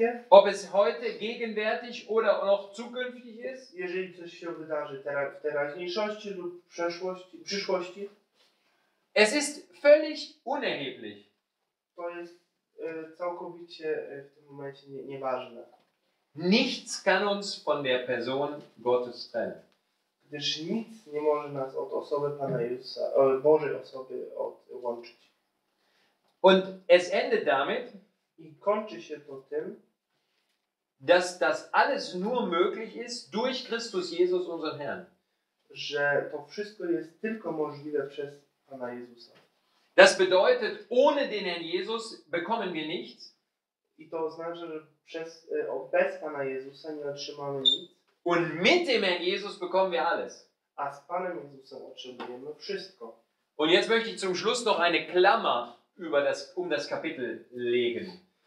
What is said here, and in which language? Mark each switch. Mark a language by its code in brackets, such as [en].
[de] Ob es heute gegenwärtig oder noch zukünftig ist, [pl] jeżeli coś się wydarzy teraz, w teraźniejszości lub w przyszłości, [de] es ist völlig unerheblich. [pl] To jest całkowicie w tym momencie nieważne. [de] Nichts kann uns von der Person Gottes trennen. [pl] Gdyż nic nie może nas od osoby Pana Jezusa, Bożej osoby odłączyć. [de] Und es endet damit. [pl] I kończy się to tym, [de] dass das alles nur möglich ist durch Christus Jesus unseren Herrn. [pl] Że to wszystko jest tylko możliwe przez Pana Jezusa. [de] Das bedeutet, ohne den Herrn Jesus bekommen wir nichts. [pl] I to oznacza, że bez Pana Jezusa nie otrzymamy nic. [de] Und mit dem Herrn Jesus bekommen wir alles. [pl] A z Panem Jezusem otrzymujemy wszystko. [de] Und jetzt möchte ich zum Schluss noch eine Klammer über das das Kapitel legen.